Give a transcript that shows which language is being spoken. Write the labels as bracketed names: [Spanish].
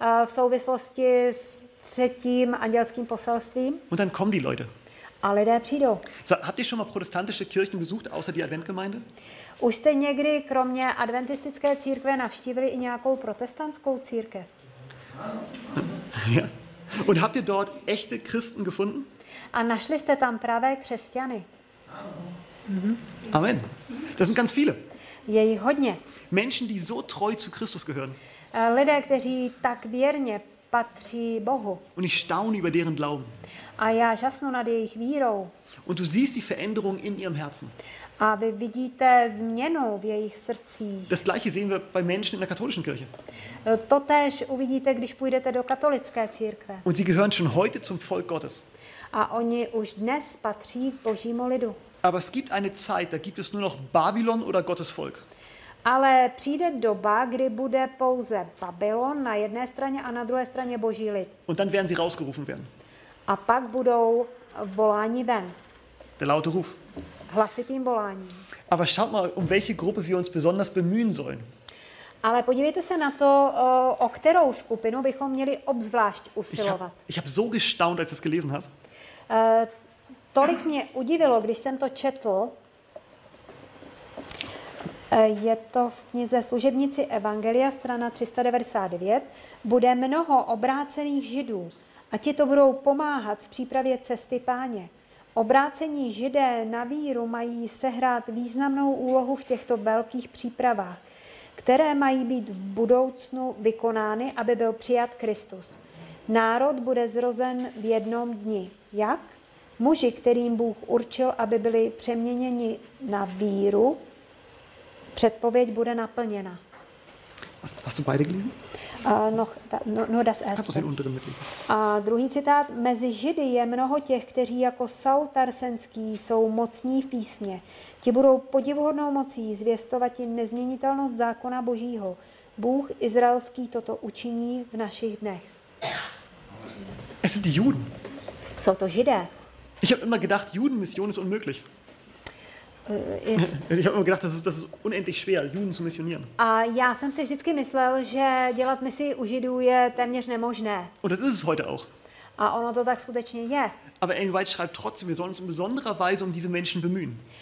[Czech] V souvislosti s třetím andělským poselstvím. [German] Und dann kommen die Leute. [Czech] A lidé přijdou. [German] So, habt ihr schon mal protestantische Kirchen besucht, außer die Adventgemeinde? [Czech] Už jste někdy kromě adventistické církve navštívili i nějakou protestantskou církev? [German] Ja. Und habt ihr dort echte Christen gefunden? [Czech] A našli jste tam pravé křesťany. [German] Mhm. Amen. Das sind ganz viele. [Czech] Je jich hodně. [German] Menschen, die so treu zu Christus gehören. [Czech] Lidé, kteří tak věrně patří Bohu. [German] Und ich staune über deren Glauben. [Czech] A já žasnu nad jejich vírou. [German] Und du siehst die Veränderung in ihrem Herzen. [Czech] A vy vidíte změnu v jejich srdcích. [German] Das gleiche sehen wir bei Menschen in der katholischen Kirche. [Czech] Totéž uvidíte, když půjdete do katolické církve. [German] Und sie gehören schon heute zum Volk Gottes. [Czech] A oni už dnes patří Božímu lidu. [German] Aber es gibt eine Zeit, da gibt es nur noch Babylon oder Gottes Volk. [Czech] Ale přijde doba, kdy bude pouze Babylon na jedné straně a na druhé straně Boží lid. [German] Und dann werden sie rausgerufen werden. [Czech] A pak budou voláni ven. [German] Der laute Ruf. [Czech] Hlasitým voláním. [German] Aber schaut mal, um welche Gruppe wir uns besonders bemühen sollen. [Czech] Ale podívejte se na to, o kterou skupinu bychom měli obzvlášť usilovat. [German] Ich hab so gestaunt, als ich das gelesen habe. [Czech] Tolik mě udivilo, když jsem to četl. Je to v knize Služebnici Evangelia, strana 399. Bude mnoho obrácených Židů a ti to budou pomáhat v přípravě cesty Páně. Obrácení Židé na víru mají sehrát významnou úlohu v těchto velkých přípravách, které mají být v budoucnu vykonány, aby byl přijat Kristus. Národ bude zrozen v jednom dni. Jak? Muži, kterým Bůh určil, aby byli přeměněni na víru, předpověď bude naplněna. [German] Hast du beide gelesen? Nur das erste. [Czech] A druhý citát. Mezi Židy je mnoho těch, kteří jako Saul Tarsenský jsou mocní v písně. Ti budou podivuhodnou mocí zvěstovat nezměnitelnost zákona Božího. Bůh izraelský toto učiní v našich dnech. [German] Es sind die Juden. [Czech] Jsou to Židé. [German] Ich habe immer gedacht, Judenmission ist unmöglich. Ich habe immer gedacht, das ist unendlich schwer, Juden zu missionieren. [Czech] Já jsem si vždycky myslel, že dělat misi u Židů je téměř nemožné. [German] Und das ist es heute auch. [Czech] A ono to tak skutečně je. [German] Aber Ellen White schreibt trotzdem, wir sollen uns in besonderer Weise um diese Menschen bemühen.